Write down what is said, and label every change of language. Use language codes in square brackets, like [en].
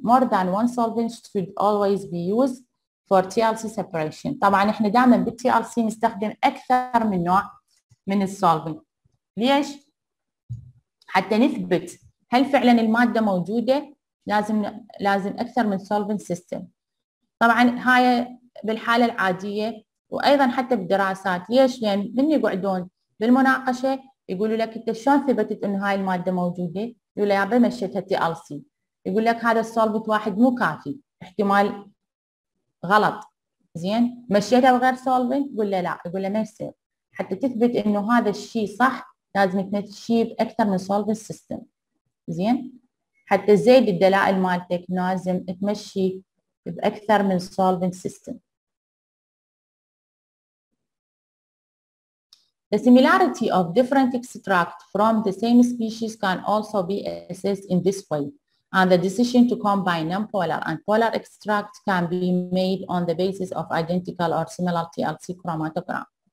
[en] More than one solvent should always be used for TLC separation. [ar] طبعا احنا دائما بالتي ال سي نستخدم اكثر من نوع من السولفنت. ليش؟ حتى نثبت هل فعلا الماده موجوده لازم اكثر من سولفنت سيستم. طبعا هاي بالحاله العاديه وايضا حتى بالدراسات. ليش؟ لان من يقعدون بالمناقشه يقولوا لك انت شلون ثبتت انه هاي الماده موجوده؟ يقول لك يابا مشيتها تي ال سي. يقول لك هذا السولفت واحد مو كافي، احتمال غلط. زين مشيتها بغير سولفنت؟ يقول له لا. يقول له ما يصير، حتى تثبت انه هذا الشيء صح لازم تمشي باكثر من سولفنت سيستم. زين حتى زيد الدلائل مالتك لازم تمشي باكثر من سولفنت سيستم. [en] The similarity of different extracts from the same species can also be assessed in this way. And the decision to combine nonpolar and polar extracts can be made on the basis of identical or similar TLC chromatogram.